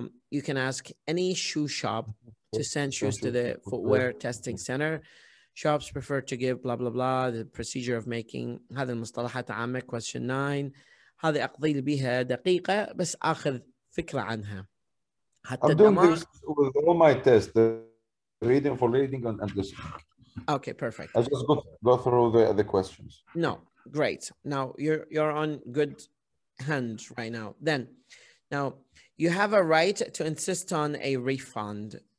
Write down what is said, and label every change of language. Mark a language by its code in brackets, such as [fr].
[en] You can ask any shoe shop to send shoes to the footwear testing center. Shops prefer to give blah blah blah. The procedure of making [ar] هذه المصطلحات عامة. [en] Question 9. [ar] هذه أقضي بها دقيقة بس أخذ فكرة عنها. حتى [en] I'm doing this with all my tests, the reading for reading and listening. Okay, perfect. I just go through the questions. No, great. Now you're on good hands right now. Then, now you have a right to insist on a refund.